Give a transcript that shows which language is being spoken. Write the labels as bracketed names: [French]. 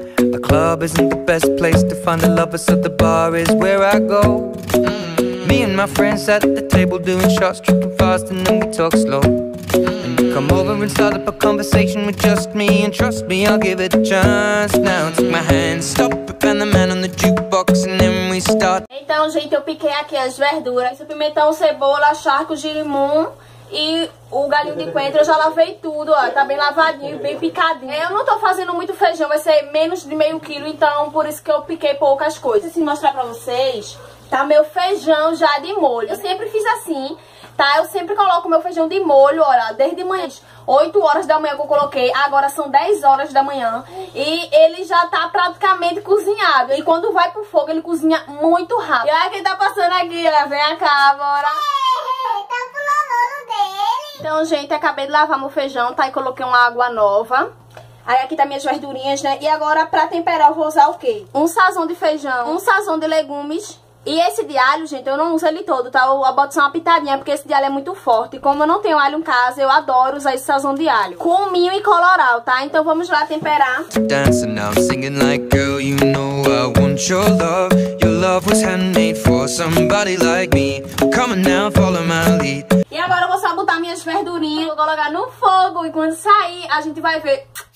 [English] The club isn't the best place to find the lovers, so the bar is where I go. Me and my friends at the table doing shots, tripping fast, and then we talk slow. And you come over and start up a conversation with just me, and trust me, I'll give it a chance. Now take my hand, stop, and the man on the jukebox, and then we start. [Portuguese] Então, gente, eu piquei aqui as verduras, o pimentão, cebola, charco, girimum e o galinho de coentro. Eu já lavei tudo, ó, tá bem lavadinho, bem picadinho. Eu não tô fazendo muito feijão, vai ser menos de meio quilo, então por isso que eu piquei poucas coisas. Deixa eu mostrar pra vocês. Tá meu feijão já de molho. Eu sempre fiz assim, tá? Eu sempre coloco meu feijão de molho, olha, desde manhã, 8 horas da manhã que eu coloquei. Agora são 10 horas da manhã e ele já tá praticamente cozinhado. E quando vai pro fogo, ele cozinha muito rápido. E olha quem tá passando aqui, olha, vem cá, bora. Tá pulando o dele. Então, gente, acabei de lavar meu feijão, tá? E coloquei uma água nova. Aí aqui tá minhas verdurinhas, né? E agora pra temperar eu vou usar o quê? Um sazão de feijão, um sazão de legumes. E esse de alho, gente, eu não uso ele todo, tá? Eu boto só uma pitadinha, porque esse de alho é muito forte. Como eu não tenho alho em casa, eu adoro usar esse sazão de alho. Cominho e colorau, tá? Então vamos lá temperar. [English] Dancing, I'm singing like, girl, you know I want your love was handmade for somebody like me. Come now, follow my lead. [Portuguese] E agora eu vou só botar minhas verdurinhas, vou colocar no fogo e quando sair, a gente vai ver.